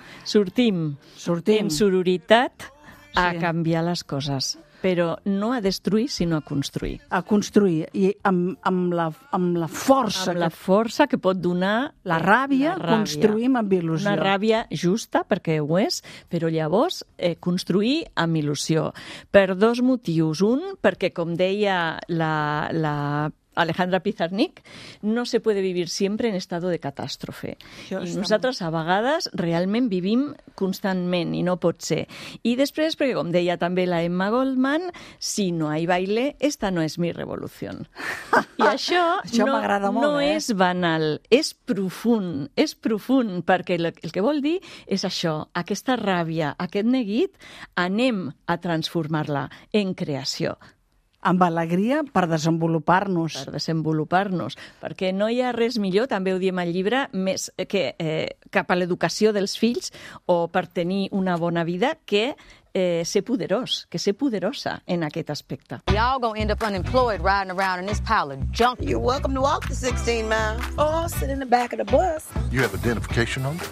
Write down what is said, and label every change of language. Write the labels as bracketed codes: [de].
[ca] Sortim en sororitat a canviar les coses, però no a destruir, sinó a construir. A construir, i amb la força. Amb la força que pot donar la ràbia, construïm amb il·lusió. Una ràbia justa, perquè ho és, però llavors construir amb il·lusió. Per dos motius. Un, perquè com deia la Alejandra Pizarnik, [es] no se puede vivir siempre en estado de catástrofe. [ca] I nosaltres a vegades realment vivim constantment i no pot ser. I després, perquè com deia també la Emma Goldman, [es] si no hay baile, esta no es mi revolución. [ca] I això, això m'agrada molt, no és banal, és profund, perquè el que vol dir és això, aquesta ràbia, aquest neguit, anem a transformar-la en creació. Amb alegria per desenvolupar-nos, perquè no hi ha res millor, també ho diem al llibre, més que cap a l'educació dels fills o per tenir una bona vida, que ser poderós, que ser poderosa en aquest aspecte. [en] Y'all gonna end up unemployed riding around in this pile of junk. You're welcome to walk the 16 miles or sit in the back of the bus. You have identification on?